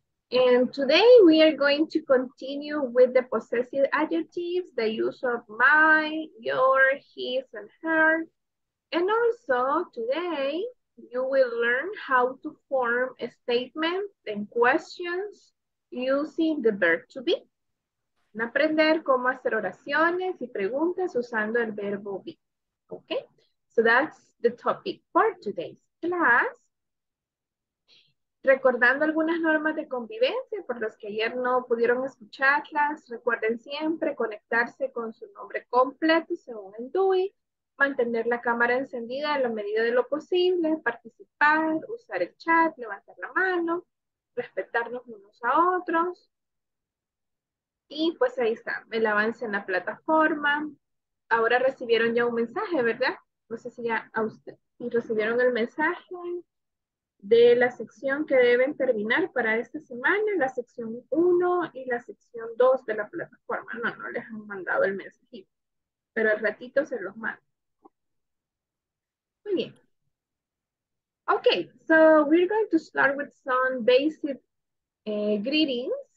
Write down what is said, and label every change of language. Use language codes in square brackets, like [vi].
[en] And today we are going to continue with the possessive adjectives, the use of my, your, his, and her. And also today, you will learn how to form statements and questions using the verb to be. [es] Van a aprender cómo hacer oraciones y preguntas usando el verbo be. [en] Okay, so that's the topic for today's class. [es] Recordando algunas normas de convivencia por las que ayer no pudieron escucharlas, recuerden siempre conectarse con su nombre completo según el DUI. Mantener la cámara encendida a la medida de lo posible, participar, usar el chat, levantar la mano, respetarnos unos a otros. Y pues ahí está, el avance en la plataforma. Ahora recibieron ya un mensaje, ¿verdad? No sé si ya a usted. Y recibieron el mensaje de la sección que deben terminar para esta semana, la sección 1 y la sección 2 de la plataforma. No, no les han mandado el mensajito, pero al ratito se los mando. Muy bien. [en] Okay, so we're going to start with some basic greetings.